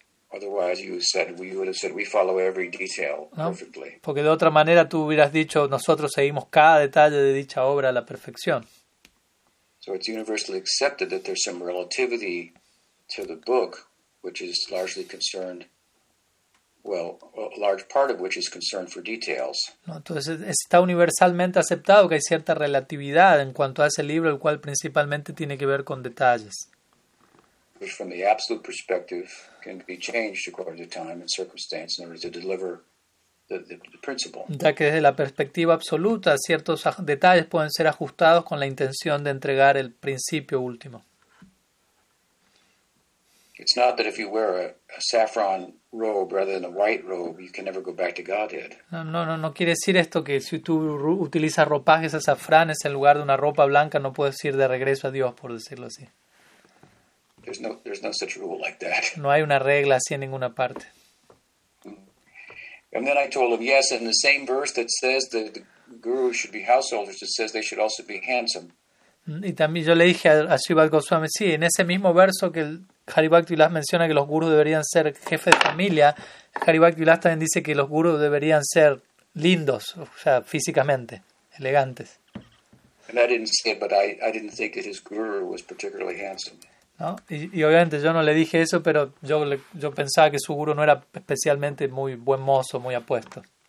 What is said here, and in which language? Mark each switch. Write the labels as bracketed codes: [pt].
[en] Otherwise, you would have said we follow every detail perfectly. [es] No, porque de otra manera tú hubieras dicho nosotros seguimos cada detalle de dicha obra a la perfección. [en] So it's universally accepted that there's some relativity to the book, which is largely concerned. Well, a large part of which is concern for details. [es] No, entonces está universalmente aceptado que hay cierta relatividad en cuanto a ese libro, el cual principalmente tiene que ver con detalles. [en] Which from the absolute perspective can be changed according to time and circumstance in order to deliver the principle. [es] Ya que desde la perspectiva absoluta ciertos detalles pueden ser ajustados con la intención de entregar el principio último. [en] It's not that if you wear a saffron robe rather than a white robe, you can never go back to Godhead. [es] No quiere decir esto que si tú utilizas ropajes azafranes en lugar de una ropa blanca, no puedes ir de regreso a Dios, por decirlo así. [en] There's no such rule like that. [es] No hay una regla así en ninguna parte. [en] And then I told him, yes, in the same verse that says that the guru should be householders, it says they should also be handsome. [es] Y también yo le dije a Sri Vatsa Goswami, sí, en ese mismo verso que el Hari Bhakti Vilas menciona que los gurús deberían ser jefes de familia, Hari Bhakti Vilas también dice que los gurús deberían ser lindos, o sea, físicamente, elegantes. [en] And I didn't say it, but I didn't think that his guru was particularly handsome. [es] ¿No? Y obviamente yo no le dije eso, pero yo pensaba que su guru no era especialmente muy buen mozo, muy apuesto.